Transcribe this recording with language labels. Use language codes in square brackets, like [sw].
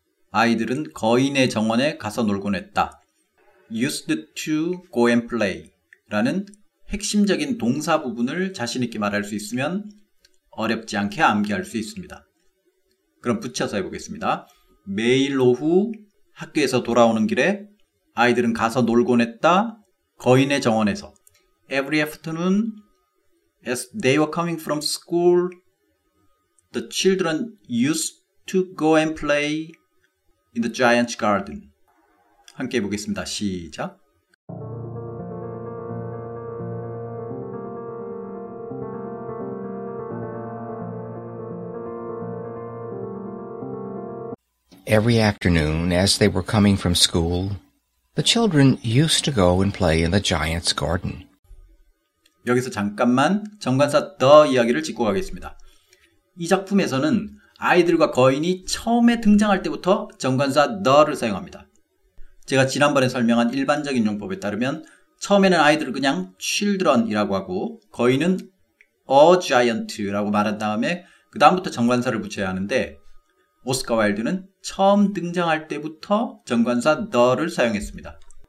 [ko] 아이들은 거인의 정원에 가서 놀곤 했다. [en] used to go and play [ko] 라는 핵심적인 동사 부분을 자신있게 말할 수 있으면 어렵지 않게 암기할 수 있습니다. 그럼 붙여서 해보겠습니다. 매일 오후 학교에서 돌아오는 길에 아이들은 가서 놀곤 했다. 거인의 정원에서 [en] Every afternoon as they were coming from school the children used to go and play in the giant garden. [ko] 함께 해보겠습니다. 시작! [en] Every afternoon, as they were coming from school, the children used to go and play in the giant's garden. [ko] 여기서 잠깐만 정관사 더 이야기를 짚고 가겠습니다. 이 작품에서는 아이들과 거인이 처음에 등장할 때부터 정관사 더를 사용합니다. 제가 지난번에 설명한 일반적인 용법에 따르면 처음에는 아이들을 그냥 children이라고 하고 거인은 a giant라고 말한 다음에 그 다음부터 정관사를 붙여야 하는데 오스카 와일드는 처음 등장할 때부터 정관사 the를 사용했습니다.